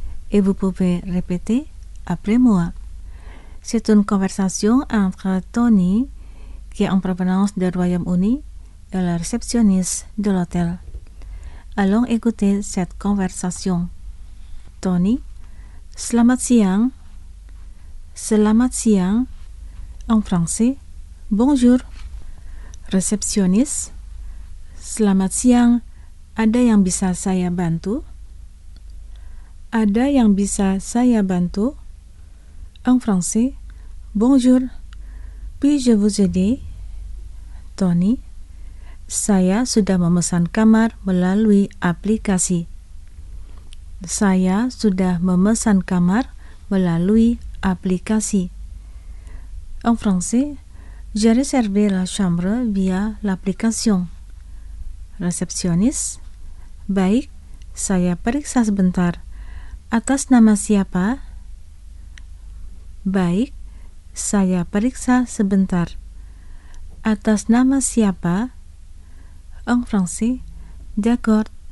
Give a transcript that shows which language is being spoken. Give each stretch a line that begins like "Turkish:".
French: Et vous pouvez répéter après moi. C'est une conversation entre Tony, qui est en provenance du Royaume-Uni, et le réceptionniste de l'hôtel. Allons écouter cette conversation. Tony,
Indonesian: selamat siang. Selamat siang.
French: En français, bonjour.
Indonesian: Réceptionniste, selamat siang. Ada yang bisa saya bantu? Ada yang bisa saya bantu?
French: En français, bonjour, puis-je vous aider?
Indonesian: Tony, saya sudah memesan kamar melalui aplikasi. Saya sudah memesan kamar melalui aplikasi.
French: En français, j'ai réservé la chambre via l'application.
Indonesian: Réceptionniste, baik, saya periksa sebentar. Atas nama siapa? Baik. Saya periksa sebentar. Atas nama siapa?
French: En français. D'accord.